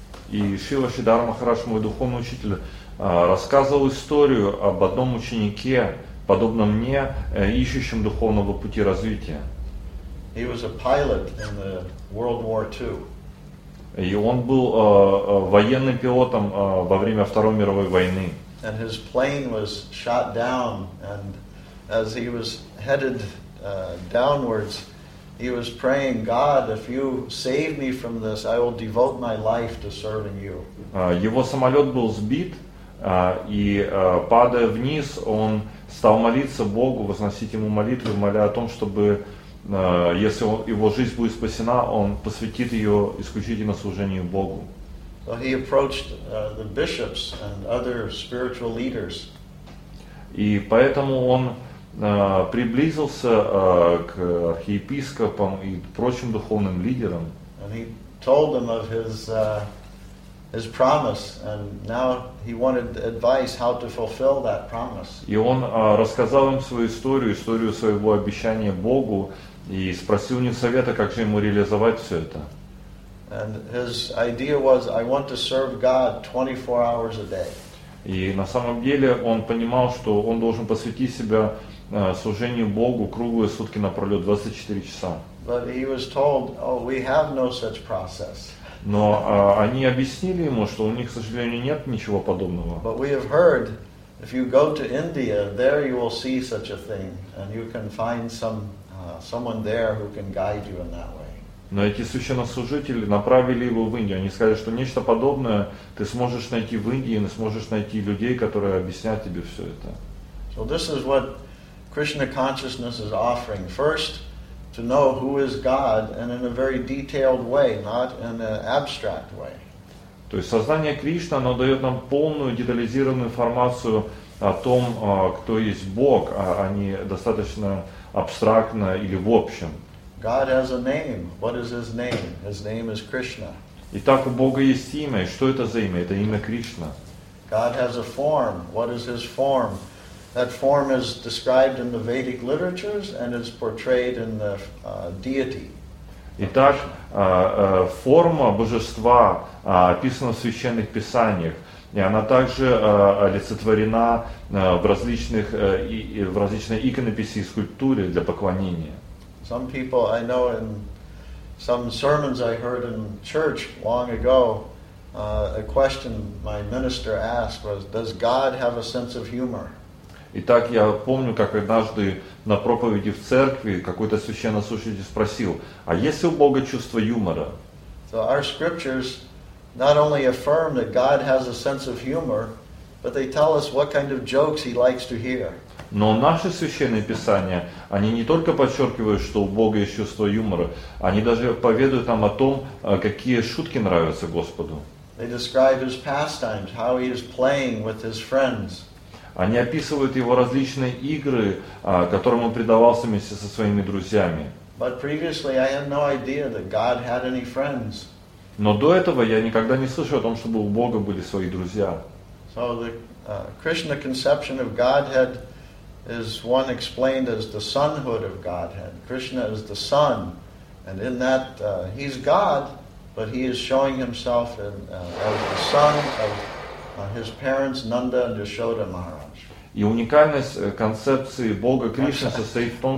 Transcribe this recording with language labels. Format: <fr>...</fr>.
<ru>И Шрила Шридхар Махарадж, мой духовный учитель, рассказывал историю об одном ученике, подобном мне, ищущем духовного пути развития.</ru> <en>He was a pilot in the World War II.</en> <ru>И он был военным пилотом во время Второй мировой войны.</ru> <en>And his plane was shot down, and as he was headed downwards, he was praying, God, if you save me from this, I will devote my life to serving you.</en> <ru>Его самолет был сбит, и падая вниз, он стал молиться Богу, возносить ему молитву, моля о том, чтобы, если его жизнь будет спасена, он посвятит ее исключительно служению Богу.</ru> <en>So he approached the bishops and other spiritual leaders.</en> <ru>И поэтому он приблизился к архиепископам и прочим духовным лидерам.</ru> <en>And he told them of his his promise, and now he wanted advice how to fulfill that promise.</en> <ru>И он рассказал им свою историю, историю своего обещания Богу, и спросил у них совета, как же ему реализовать все это.</ru> <en>And his idea was, I want to serve God 24 hours a day.</en> <ru>И на самом деле он понимал, что он должен посвятить себя служению Богу круглые сутки напролет, 24 часа.</ru> <en>But he was told, oh, we have no such process.</en> <ru>Но они объяснили ему, что у них, к сожалению, нет ничего подобного.</ru> <en>But we have heard, if you go to India, there you will see such a thing, and you can find someone there who can guide you in that way.</en> <ru>Но эти священнослужители направили его в Индию. Они сказали, что нечто подобное ты сможешь найти в Индии, и сможешь найти людей, которые объяснят тебе все это.</ru> <en>So this is what Krishna consciousness is offering. First, to know who is God, and in a very detailed way, not in an abstract way.</en> <ru>То есть сознание Кришны, оно дает нам полную детализированную информацию о том, кто есть Бог, а не достаточно абстрактно или в общем.</ru> <en>God has a name. What is his name? His name is Krishna.</en> <ru>Итак, у Бога есть имя. И что это за имя? Это имя Кришна.</ru> <en>God has a form. What is his form? That form is described in the Vedic literatures and is portrayed in the deity.</en> <ru>Итак, форма божества описана в священных писаниях, и она также олицетворена в различной иконописи и скульптуре для поклонения.</ru> <en>Some people I know in some sermons I heard in church long ago, a question my minister asked was, does God have a sense of humor?</en> <ru>Итак, я помню, как однажды на проповеди в церкви какой-то священнослужитель спросил, а есть ли у Бога чувство юмора?</ru> <en>So our scriptures not only affirm that God has a sense of humor, but they tell us what kind of jokes he likes to hear.</en> <ru>Но наши священные писания, они не только подчеркивают, что у Бога есть чувство юмора, они даже поведают нам о том, какие шутки нравятся Господу.</ru> <en>They describe his pastimes, how he is playing with his friends.</en> <ru>Они описывают его различные игры, которым он предавался вместе со своими друзьями.</ru> <en>But previously I had no idea that God had any friends.</en> <ru>Но до этого я никогда не слышал о том, чтобы у Бога были свои друзья.</ru> <en>So the Krishna conception of Godhead is one explained as the sonhood of Godhead. Krishna is the son, and in that he's God, but he is showing himself in, as the son of his parents, Nanda and Yashoda Maharaj.</en> <ru>И уникальность концепции Бога Кришны состоит в том,</ru>